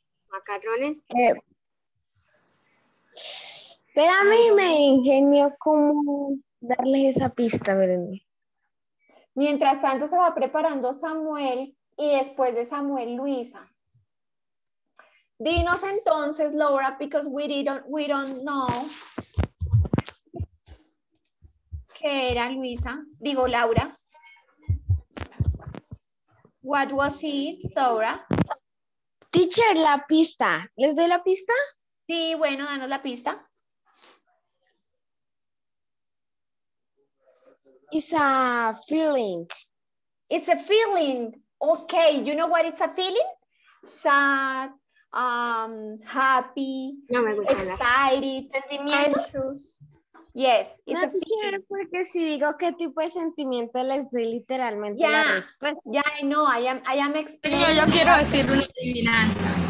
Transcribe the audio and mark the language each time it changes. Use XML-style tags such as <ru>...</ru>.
<es>Macarrones. Espérame, me ingenio cómo darles esa pista, Verónica. Mientras tanto se va preparando Samuel y después de Samuel, Luisa. Dinos entonces, Laura,</es> <en>because we don't know.</en> <es>¿Qué era, Luisa? Digo, Laura.</es> <en>What was it, Laura?</en> <es>Teacher, la pista. ¿Les doy la pista? Sí, bueno, danos la pista.</es> <en>It's a feeling. It's a feeling. Okay, you know what it's a feeling? Sad, happy,</en> <es>no me gusta</es> <en>excited, anxious. Yes, it's no,</en> <es>a teacher, porque si digo qué tipo de sentimiento les doy literalmente</es> <en>yeah,</en> <es>la respuesta.</es> <en>Ya, yeah, no, I am explaining.</en> <es>Yo quiero decir una adivinanza.</es>